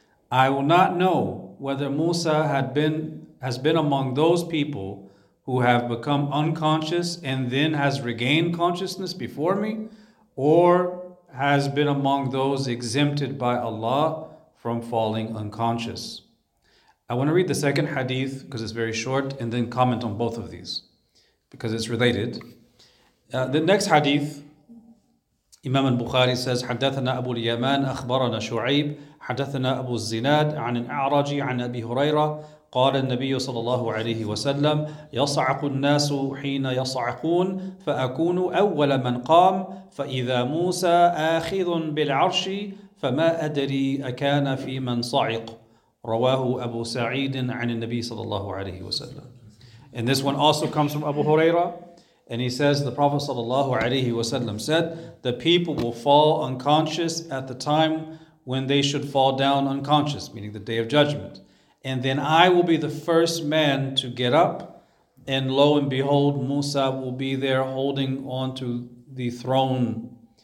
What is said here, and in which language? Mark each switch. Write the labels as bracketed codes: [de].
[en] I will not know whether Musa has been among those people who have become unconscious and then has regained consciousness before me, or has been among those exempted by Allah from falling unconscious. I want to read the second hadith because it's very short, and then comment on both of these because it's related. The next hadith, Imam al-Bukhari says, [ar] حدثنا أبو اليمان أخبرنا شعيب حدثنا أبو الزناد عن الأعرج عن أبي هريرة قال النبي صلى الله عليه وسلم يصعق الناس حين يصعقون فأكون أول من قام فإذا موسى آخذ بالعرش فما أدري أكان في من صعق رواه أبو سعيد عن النبي صلى الله عليه وسلم. [en] And this one also comes from Abu Huraira. And he says, the Prophet sallallahu alayhi wasallam said, the people will fall unconscious at the time when they should fall down unconscious, meaning the day of judgment. And then I will be the first man to get up, and lo and behold, Musa will be there holding on to the throne.